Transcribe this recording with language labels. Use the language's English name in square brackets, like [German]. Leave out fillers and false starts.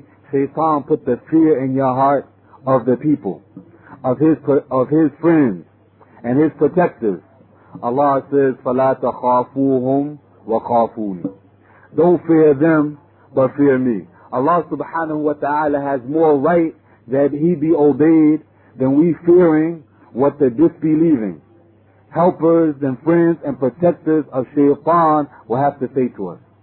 [English] Shaitan put the fear in your heart of the people, of his friends and his protectors. Allah says, [Arabic] فَلَا تَخَافُوهُمْ وَخَافُونِ. [English] Don't fear them, but fear me. Allah subhanahu wa ta'ala has more right that he be obeyed than we fearing what the disbelieving helpers and friends and protectors of shaitan will have to say to us.